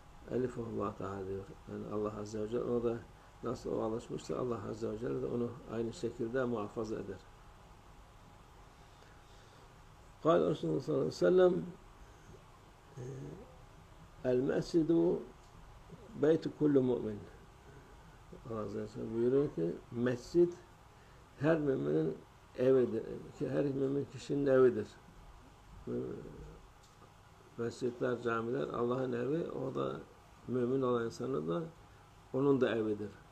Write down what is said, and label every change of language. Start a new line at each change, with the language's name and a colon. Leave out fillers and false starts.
Turkish: Elifullah Teala diyor. Yani Allah Azze ve Celle, o da nasıl o alışmışsa Allah Azze ve Celle de onu aynı şekilde muhafaza eder.
Arabic: قال رسول الله صلى الله عليه وسلم المسجد بيت كل مؤمن.
Turkish: الله عز وجل buyuruyor ki mescid her müminin evidir. Her mümin kişinin evidir. Mescidler, camiler Allah'ın evi. O da mümin olan insanı da onun da evidir.